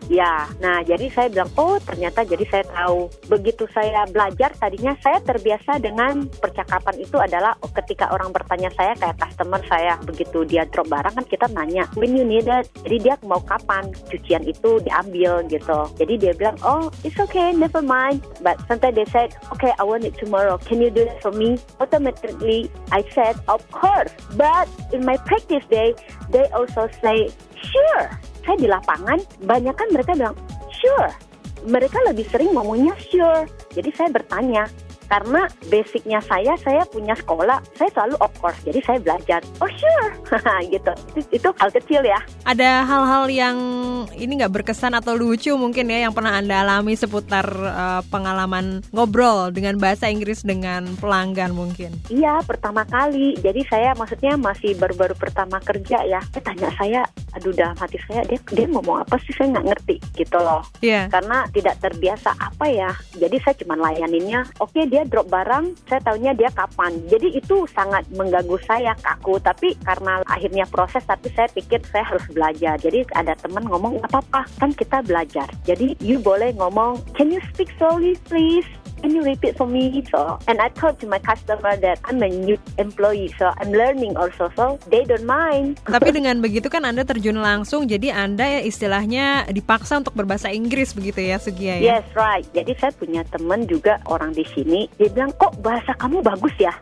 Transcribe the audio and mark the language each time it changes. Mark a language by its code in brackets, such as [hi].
[id] Ya, nah jadi saya bilang, oh ternyata jadi saya tahu. Begitu saya belajar, tadinya saya terbiasa dengan percakapan itu adalah ketika orang bertanya saya, kayak customer saya, begitu dia drop barang kan kita nanya, [en] when you need it, [id] jadi dia mau kapan cucian itu diambil gitu. Jadi dia bilang, [en] oh it's okay, never mind. But sometimes they said, okay I want it tomorrow, can you do it for me? Automatically I said, of course. But in my practice day, they also say, sure. [id] Saya di lapangan, banyak kan mereka bilang, sure. Mereka lebih sering ngomongnya sure. Jadi saya bertanya, karena basicnya saya punya sekolah, saya selalu [en] of course, [id] jadi saya belajar. Oh sure, gitu. Itu hal kecil ya. Ada hal-hal yang ini nggak berkesan atau lucu mungkin ya, yang pernah Anda alami seputar pengalaman ngobrol dengan bahasa Inggris dengan pelanggan mungkin? Iya, pertama kali. Jadi saya maksudnya masih baru-baru pertama kerja ya. Dia tanya saya, aduh dalam hati saya, dia ngomong apa sih, saya nggak ngerti gitu loh. [en] Yeah. [id] Karena tidak terbiasa apa ya. Jadi saya cuma layaninnya, okay, dia drop barang, saya taunya dia kapan. Jadi itu sangat mengganggu saya, kaku. Tapi karena akhirnya proses, tapi saya pikir saya harus belajar. Jadi ada teman ngomong, gak apa-apa, kan kita belajar. Jadi you boleh ngomong, [en] can you speak slowly please? Can you repeat for me? So, and I told to my customer that I'm a new employee, so I'm learning also, so they don't mind. [id] Tapi dengan begitu kan Anda terjun langsung, jadi Anda ya istilahnya dipaksa untuk berbahasa Inggris begitu ya, Sugiya ya? [en] Yes, right. [id] Jadi saya punya teman juga orang di sini, dia bilang, kok bahasa kamu bagus ya?